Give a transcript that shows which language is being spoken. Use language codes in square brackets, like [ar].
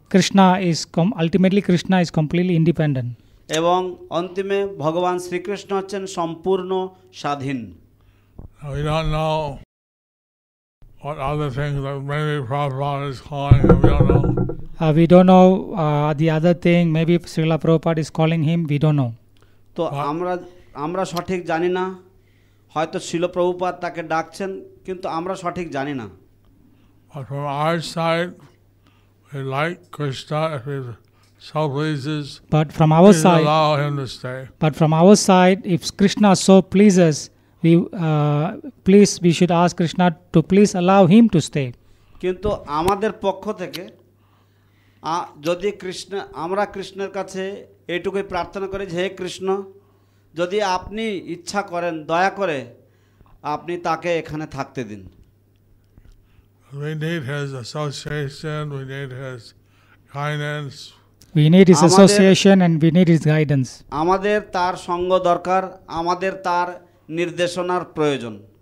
[en] Krishna is ultimately Krishna is completely independent. [bn] এবং অন্তিমে ভগবান শ্রীকৃষ্ণ হচ্ছেন সম্পূর্ণ স্বাধীন. [en] We don't know what other things that maybe Prabhupada is calling him, we don't know. The other thing, maybe Srila Prabhupada is calling him, we don't know. [bn] তো আমরা সঠিক জানি না, হয়তো শ্রীল প্রভুপাদ তাকে ডাকছেন কিন্তু আমরা সঠিক জানি না. [en] But from our side, we like Krishna if he so pleases. But from our side, if Krishna so pleases, we should ask Krishna to please allow him to stay. [bn] কিন্তু আমাদের পক্ষ থেকে যদি আমরা কৃষ্ণের কাছে এইটুকুই প্রার্থনা করি যে হে কৃষ্ণ, যদি আপনি ইচ্ছা করেন দয়া করে আপনি তাকে এখানে থাকতে দিন. [en] We need his association and we need his guidance. [bn] আমাদের তার সঙ্গ দরকার, আমাদের তার নির্দেশনার প্রয়োজন.